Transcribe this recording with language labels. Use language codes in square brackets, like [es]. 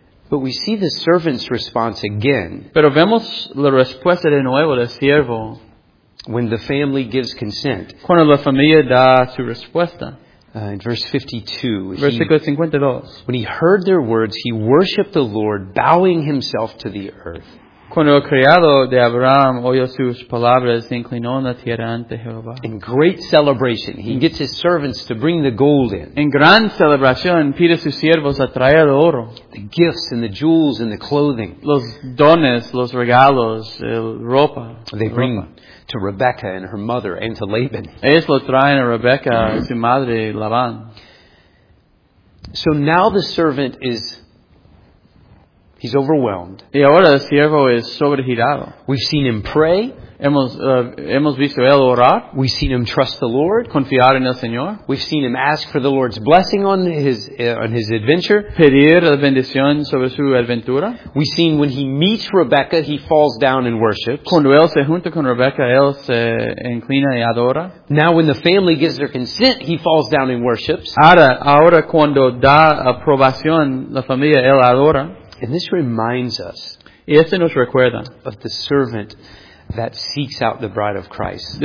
[en] But we see the servant's response again. [es] Pero vemos la respuesta de nuevo del siervo. [en] When the family gives consent. [es] Cuando la familia da su respuesta. [en] In verse 52. [es] Versículo 52. [en] When he heard their words, he worshipped the Lord, bowing himself to the earth. [es] Cuando el criado de Abraham oyó sus palabras, se inclinó en la tierra ante Jehová. [en] In great celebration, he gets his servants to bring the gold in. [es] En gran celebración, pide a sus siervos a traer el oro. [en] The gifts and the jewels and the clothing. [es] Los dones, los regalos, el ropa. [en] They bring [es] ropa. [en] To Rebecca and her mother and to Laban. [es] Ellos lo traen a Rebecca, su madre, Labán. [en] So now the servant is He's overwhelmed. [es] Y ahora el siervo es sobregirado. [en] We've seen him pray. [es] Hemos visto él orar. [en] We've seen him trust the Lord. [es] Confiar en el Señor. [en] We've seen him ask for the Lord's blessing on his adventure. [es] Pedir la bendición sobre su aventura. [en] We've seen when he meets Rebecca, he falls down and worships. [es] Cuando él se junta con Rebecca, él se inclina y adora. [en] Now when the family gives their consent, he falls down and worships. [es] Ahora cuando da aprobación la familia, él adora. [en] And this reminds us, [es] y este nos recuerda, [en] of the servant that seeks out the bride of Christ.